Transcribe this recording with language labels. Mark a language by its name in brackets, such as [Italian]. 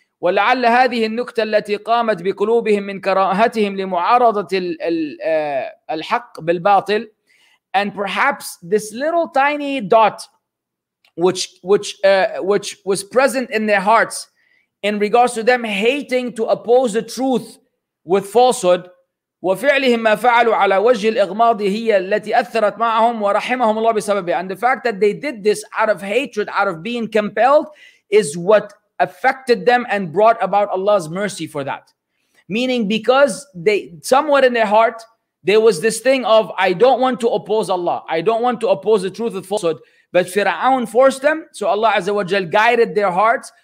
[Arabic] ولعل هذه النكتة التي قامت بقلوبهم من كراهتهم لمعارضة الحق بالباطل. [English] And perhaps this little tiny dot which was present in their hearts in regards to them hating to oppose the truth with falsehood. [Arabic] وفعلهم ما فعلوا على وجه الإغماض هي التي أثرت معهم ورحمهم الله بسببها. [English] And the fact that they did this out of hatred, out of being compelled, is what affected them and brought about Allah's mercy for that. Meaning, because they somewhere in their heart there was this thing of, I don't want to oppose Allah, I don't want to oppose the truth of falsehood, but Fir'aun forced them, so Allah Azza wa Jal guided their hearts.